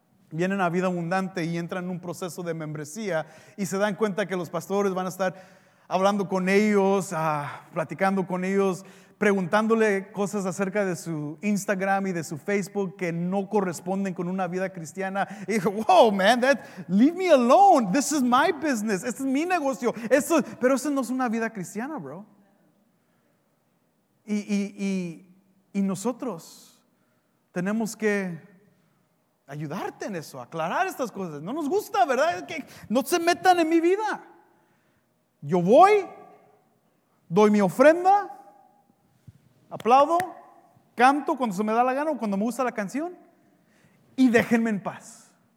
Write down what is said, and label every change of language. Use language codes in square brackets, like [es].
[es] Vienen a Vida Abundante y entran en un proceso de membresía y se dan cuenta que los pastores van a estar hablando con ellos, platicando con ellos, preguntándole cosas acerca de su Instagram y de su Facebook que no corresponden con una vida cristiana. [en] Y dijo, wow, man, that, leave me alone. This is my business. [es] Este es mi negocio. Esto, pero eso no es una vida cristiana, bro. Y nosotros tenemos que ayudarte en eso, aclarar estas cosas. No nos gusta, ¿verdad? Que no se metan en mi vida. Yo voy, doy mi ofrenda, aplaudo, canto cuando se me da la gana o cuando me gusta la canción y déjenme en paz.